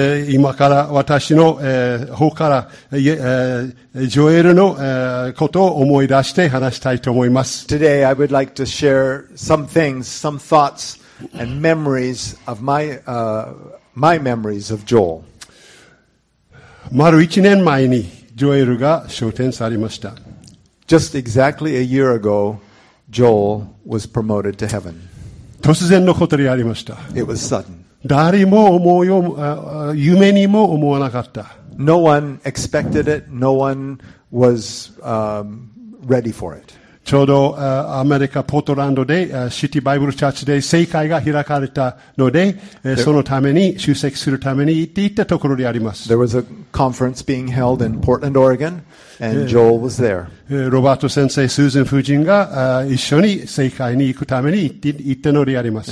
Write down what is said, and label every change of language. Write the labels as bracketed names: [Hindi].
[Japanese] 今から私の方から、ジョエルのことを思い出して話したいと思います。 [English] Today I would like to share some things, some thoughts and memories of my, my memories of Joel. [Japanese] 丸一年前にジョエルが昇天されました。 [English] Just exactly a year ago, Joel was promoted to heaven. [Japanese] 突然のことでありました。 [English] It was sudden. [Japanese] 誰も思うよ、夢にも思わなかった。 [English] No one expected it. No one was, ready for it. [Japanese] ちょうど、アメリカ、ポートランドで、シティバイブルチャーチで、聖会が開かれたので、そのために、出席するために行っていったところであります。 [English] There was a conference being held in Portland, Oregon, and Joel was there. [Japanese] ロバート先生、スーズン夫人が一緒に聖会に行くために行ったのであります。